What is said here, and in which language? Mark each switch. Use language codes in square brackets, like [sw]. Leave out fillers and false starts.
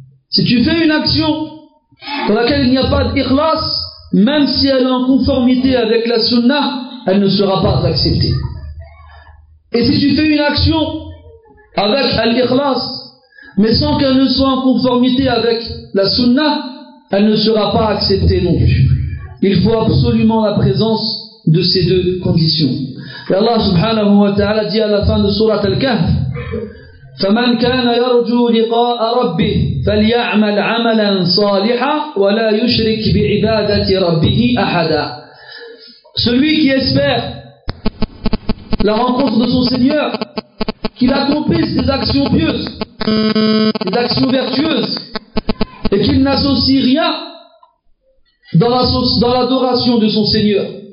[fr] Si tu fais une action dans laquelle il n'y a pas d'ikhlas, même si elle est en conformité avec la sunnah, elle ne sera pas acceptée. Et si tu fais une action avec l'ikhlas, mais sans qu'elle ne soit en conformité avec la sunnah, elle ne sera pas acceptée non plus. Il faut absolument la présence de ces deux conditions. Et Allah subhanahu wa ta'ala dit à la fin de surat al-Kahf: [ar] فَمَنْ كَانَ يَرْجُو لِقَاءَ رَبِّهِ فَلْيَعْمَلْ عَمَلًا صَالِحًا وَلَا يُشْرِكْ بِعِبَادَةِ رَبِّهِ أَحَدًا. [fr] Celui qui espère la rencontre de son Seigneur, qu'il accomplisse des actions pieuses, des actions vertueuses, et qu'il n'associe rien dans l'adoration de son Seigneur.